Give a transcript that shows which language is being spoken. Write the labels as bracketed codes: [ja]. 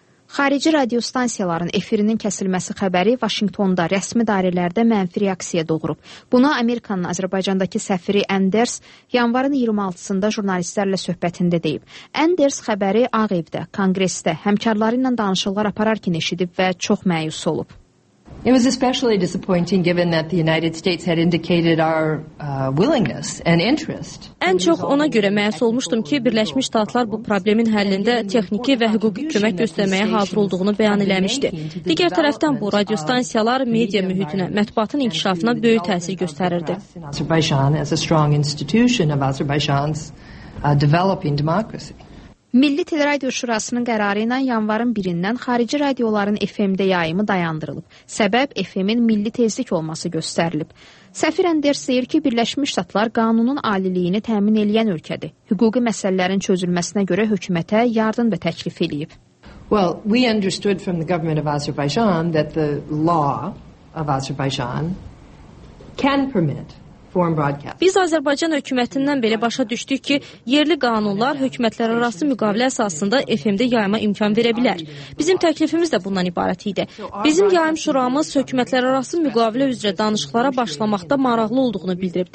[az] Xarici radiostansiyaların efirinin kəsilməsi xəbəri Vaşinqtonda rəsmi dairələrdə mənfi reaksiya doğurub. Buna Amerikanın Azərbaycandakı səfiri Anders yanvarın 26-sında jurnalistlərlə söhbətində deyib. Anders xəbəri Ağ Evdə, Konqresdə həmkarları ilə danışıqlar apararkən eşidib və çox məyus olub. [en] It was especially disappointing given that the United States had indicated our willingness and interest. [az] Ən çox ona görə məyus olmuşdum ki, Birləşmiş Ştatlar bu problemin həllində texniki və hüquqi kömək göstərməyə hazır olduğunu bəyan eləmişdi. Digər tərəfdən bu radiostansiyalar media mühitinə, mətbuatın inkişafına böyük təsir göstərirdi. [en] Azerbaijan as a strong institution of Azerbaijan's developing democracy. [az] Milli Teleradio Şurasının qərarı ilə yanvarın 1-dən xarici radioların FM-də yayımı dayandırılıb. Səbəb FM-in milli tezlik olması göstərilib. Səfir Anders deyir ki, Birləşmiş Ştatlar qanunun aliliyini təmin edən ölkədir. Hüquqi məsələlərin çözülməsinə görə hökumətə yardım və təklif eləyib. [en] Well, we understood from the government of Azerbaijan that the law of Azerbaijan can permit. [az] Biz Azərbaycan hökumətindən belə başa düşdük ki, yerli qanunlar hökumətlərarası müqavilə əsasında FM-də yayıma imkan verə bilər. Bizim təklifimiz də bundan ibarət idi. Bizim yayım şuramız hökumətlərarası müqavilə üzrə danışıqlara başlamaqda maraqlı olduğunu bildirib.